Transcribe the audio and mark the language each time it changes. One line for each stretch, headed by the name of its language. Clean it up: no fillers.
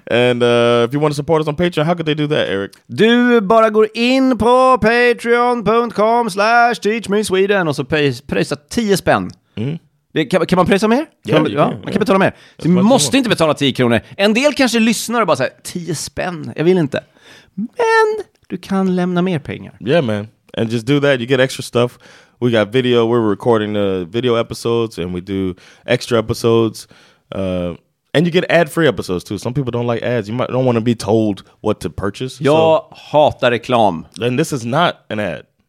English: And if you want to support us on Patreon, how could they do that, Eric?
Swedish: Du bara går in på patreon.com/teachmesweden och så prisar 10 spänn. Mm. Kan man prisa mer? Man kan betala mer. Du måste inte betala 10 kronor. En del kanske lyssnar och bara säger, 10 spänn, jag vill inte. Men du kan lämna mer pengar.
English: Yeah, man. And just do that, you get extra stuff. We got video, we're recording the video episodes, and we do extra episodes. And you get ad-free episodes too. Some people don't like ads. You might don't want to be told what to purchase.
Swedish: Jag hatar reklam.
English: Then this is not an ad.